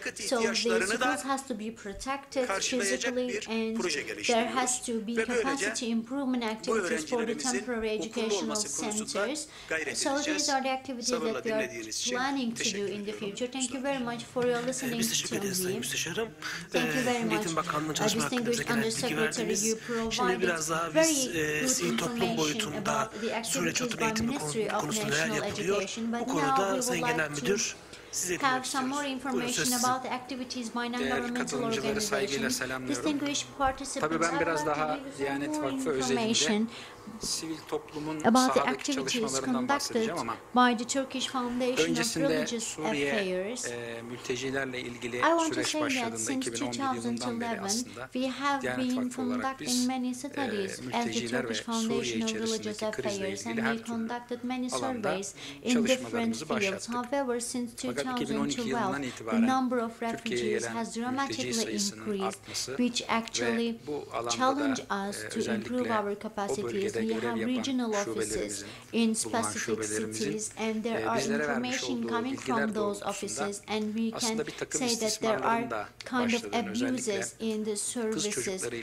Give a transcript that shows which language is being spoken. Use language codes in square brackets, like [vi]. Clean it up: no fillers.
[en] So the schools has to be protected physically, and there has to be capacity improvement activities for the temporary educational centers. So these are the activities that we are planning to do in the future. Thank you very much for your listening to me. [tr] Sayın Müsteşarım, Eğitim Bakanlığı çalışma hakkımıza gerek verdiniz. Şimdi biraz daha biz sivil toplum boyutunda süreç oturma eğitimi konusunda neler yapılıyor. Bu konuda Sayın Genel Müdür [en] have some more information about the activities by non-governmental organizations. Distinguished participants, [tr] tabii ben biraz daha Diyanet Vakfı özelinde sivil toplumun sahadaki çalışmalarından bahsedeceğim ama [en] by the Turkish Foundation of Religious Affairs, [tr] mültecilerle ilgili süreç başladığında 2011 yılından beri aslında Diyanet Vakfı olarak biz mülteciler ve Suriye içerisindeki krizle ilgili her türlü alanda çalışmalarımızı başlattık. Fakat 2012 yılından itibaren [en] the number of refugees has dramatically increased, which actually challenge us to improve our capacities. We have regional offices in specific cities, and there are information coming from those offices, and we can say that there are kind of abuses in the services.